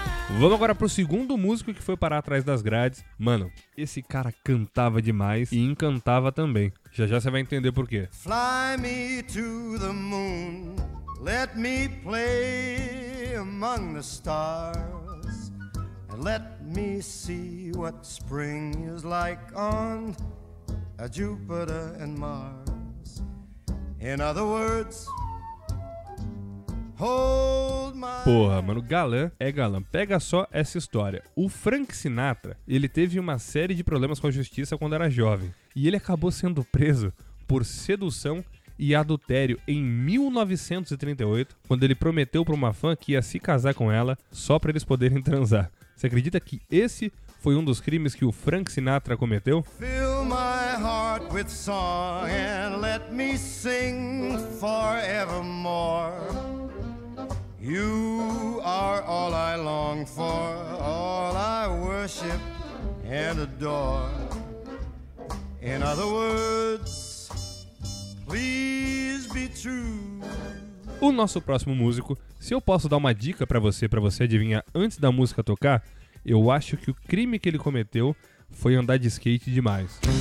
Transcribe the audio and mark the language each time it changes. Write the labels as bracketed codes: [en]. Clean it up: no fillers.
[pt] Vamos agora pro segundo músico que foi parar atrás das grades. Mano, esse cara cantava demais e encantava também. Já já você vai entender por quê. [en] Fly me to the moon, let me play among the stars, and let me see what spring is like on a Jupiter and Mars. In other words, hold my... [pt] Porra, mano, galã é galã. Pega só essa história. O Frank Sinatra, ele teve uma série de problemas com a justiça quando era jovem. E ele acabou sendo preso por sedução e adultério em 1938, quando ele prometeu pra uma fã que ia se casar com ela só pra eles poderem transar. Você acredita que esse foi um dos crimes que o Frank Sinatra cometeu? [en] Fill my heart with song and let me sing forevermore. You are all I long for, all I worship and adore. In other words, please be true. [pt] O nosso próximo músico, se eu posso dar uma dica pra você adivinhar antes da música tocar, eu acho que o crime que ele cometeu foi andar de skate demais.